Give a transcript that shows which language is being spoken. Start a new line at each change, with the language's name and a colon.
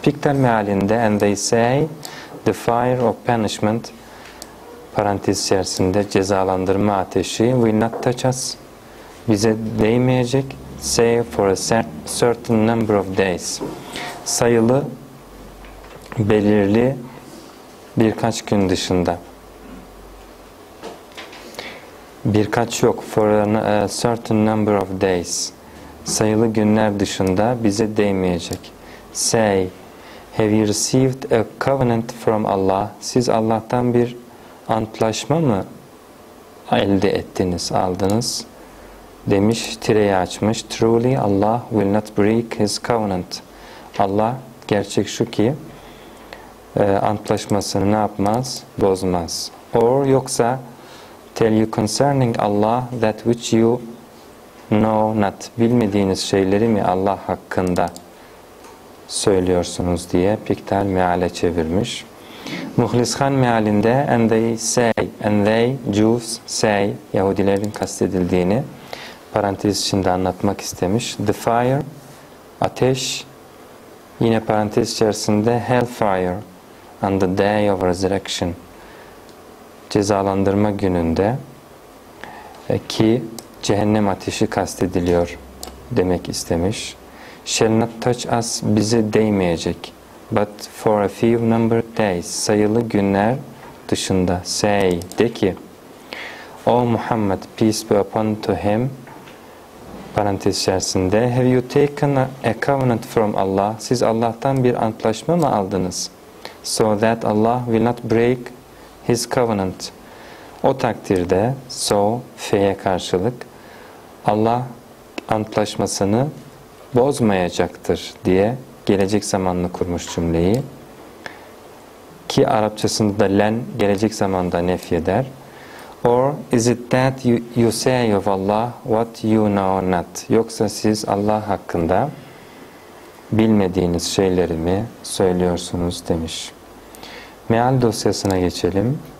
Turkish: Pikten mealinde
English: and they say the fire of punishment
Turkish: parantez içerisinde cezalandırma ateşi
English: will not touch us,
Turkish: bize değmeyecek,
English: say for a certain number of days,
Turkish: sayılı belirli birkaç gün dışında. Birkaç yok,
English: for a certain number of days,
Turkish: sayılı günler dışında bize değmeyecek.
English: Say, have you received a covenant from Allah?
Turkish: Siz Allah'tan bir antlaşma mı elde ettiniz, aldınız? demiş, tireyi açmış.
English: Truly Allah will not break his covenant.
Turkish: Allah gerçek şu ki antlaşmasını ne yapmaz? Bozmaz.
English: Or yoksa tell you concerning Allah that which you know not.
Turkish: Bilmediğiniz şeyleri mi Allah hakkında söylüyorsunuz diye piktel meale çevirmiş. Muhlishan mealinde
English: and they say, and they Jews say,
Turkish: Yahudilerin kastedildiğini parantez içinde anlatmak istemiş.
English: The fire,
Turkish: ateş, yine parantez içerisinde
English: hellfire on the day of resurrection,
Turkish: cezalandırma gününde, ki cehennem ateşi kastediliyor demek istemiş.
English: Shall not touch us,
Turkish: bizi değmeyecek.
English: But for a few number days,
Turkish: sayılı günler dışında,
English: say,
Turkish: de ki,
English: O Muhammed, peace be upon to him,
Turkish: parantez içerisinde,
English: have you taken a covenant from Allah,
Turkish: siz Allah'tan bir antlaşma mı aldınız?
English: So that Allah will not break his covenant.
Turkish: O takdirde,
English: so,
Turkish: fe'ye karşılık, Allah antlaşmasını bozmayacaktır diye gelecek zamanını kurmuş cümleyi, ki Arapçasında da len gelecek zamanda nefy eder.
English: Or is it that you say of Allah what you know not?
Turkish: Yoksa siz Allah hakkında bilmediğiniz şeyleri mi söylüyorsunuz demiş. Meal dosyasına geçelim.